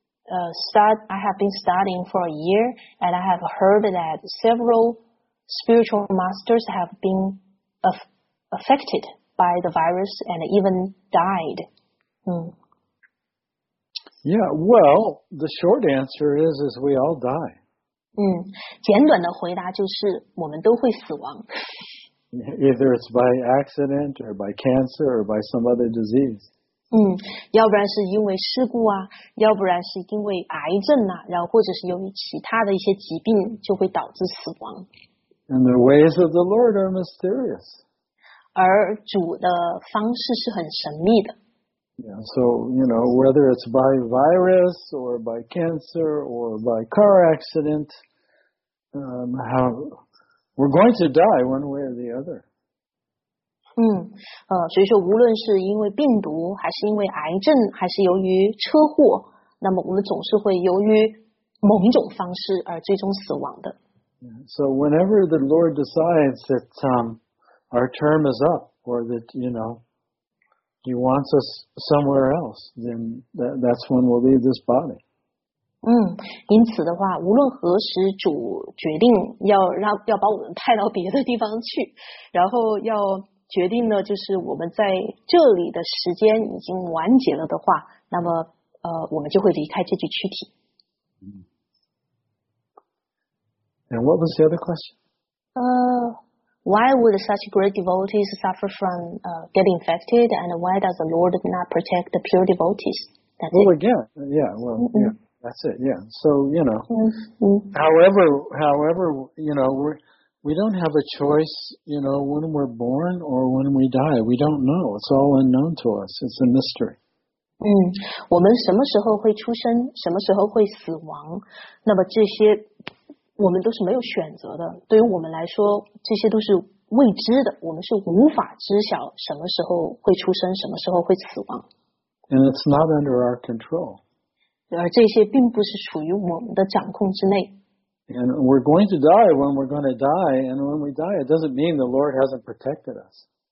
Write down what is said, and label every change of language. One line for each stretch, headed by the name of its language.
English: I have been studying for a year, and I have heard that several spiritual masters have been affected by the virus and even died. Yeah, well, the short answer is we all die.
Chinese: 简短的回答就是我们都会死亡。
English: Either it's by accident or by cancer or by some other disease.
Chinese: 要不然是因为事故啊，要不然是因为癌症啊，然后或者是由于其他的一些疾病就会导致死亡。
English: And the ways of the Lord are mysterious.
Chinese: 而主的方式是很神秘的。
English: Yeah, so, you know, whether it's by virus or by cancer or by car accident, we're going to die one way or the other.
Chinese: 所以说无论是因为病毒还是因为癌症还是由于车祸，那么我们总是会由于某一种方式而最终死亡的。
English: So whenever the Lord decides that our term is up or that, you know,He wants us somewhere else, then that's when we'll leave this body.
Chinese: 因此的话，无论何时主决定要把我们派到别的地方去，然后要决定呢，就是我们在这里的时间已经完结了的话，那么我们就会离开这具躯体。
English: And what was the other question? Why would such great devotees suffer from getting infected, and why does the Lord not protect the pure devotees? That's well, again, yeah, well, yeah, that's it, yeah. So, you know, however, you know, we don't have a choice, you know, when we're born or when we die. We don't know. It's all unknown to us. It's a mystery.
Chinese: 我们什么时候会出生，什么时候会死亡，那么这些我们都是没有选择的，对于我们来说这些都是未知的，我们是无法知晓什么时候会出生，什么时候会死亡。
English: And it's not under our control.
Chinese: 而这些并不是处于我们的掌控之内。
English: And we're going to die when we're going to die, and when we die, it doesn't mean the Lord hasn't protected us.